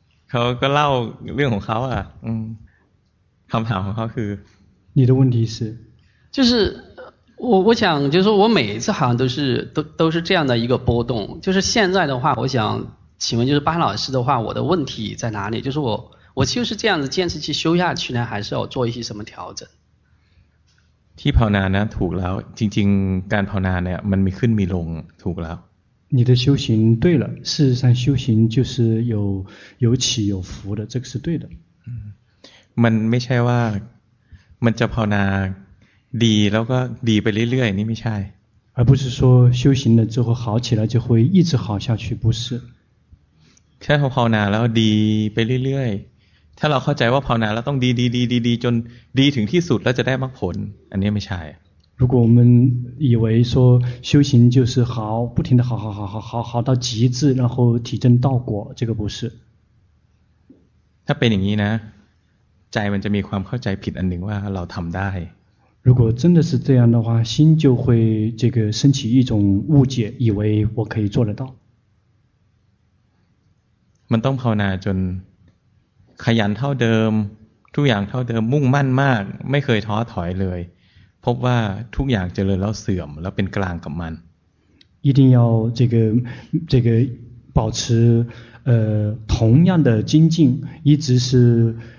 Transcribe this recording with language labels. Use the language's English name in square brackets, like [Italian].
[Thai] เขาก็เล่าเรื่องของเขาอ่ะ คำถามของเขาคือ [Chinese] 你的问题是就是我想就是说我每一次好像都是这样的一个波动，就是现在的话我想请问就是巴老师的话，我的问题在哪里，就是我就是这样子坚持去修下去呢，还是要做一些什么调整？ [Thai] ที่ภาวนานะถูกแล้วจริงๆการภาวนาเนี่ยมันมีขึ้นมีลงถูกแล้ว [Chinese] 你的修行对了，事实上修行就是有起有伏的，这个是对的。 [Thai] มันไม่ใช่ว่ามันจะภาวนาดีแล้วก็ดีไปเรื่อยๆนี่ไม่ใช่ [Chinese] 而不是说修行了之后好起来就会一直好下去，不是。 [Thai] ถ้าเราภาวนาแล้วดีไปเรื่อยถ้าเราเข้าใจว่าภาวนาแล้วต้องดีดีดีดีดีจนดีถึงที่สุดแล้วจะได้มรรคผลอันนี้ไม่ใช่ [Chinese] 如果我们以为说修行就是好不停的好好好好好好到极致然后体证道果这个不是 [Thai] ถ้าเป็นอย่างนี้นะใจมันจะมีความเข้าใจผิดอันหนึ่งว่าเราทำได้ [Chinese] 如果真的是这样的话心就会这个升起一种误解以为我可以做得到 [Thai] มันต้องภาวนาจนขยันเท่าเดิมทุกอย่างเท่าเดิมมุ่งมั่นมากไม่เคยท้อถอยเลยพบว่าทุกอย่างเจริญแล้วเสื่อมแล้วเป็นกลางกับมัน [Chinese] 一定要这个保持同样的精进一直是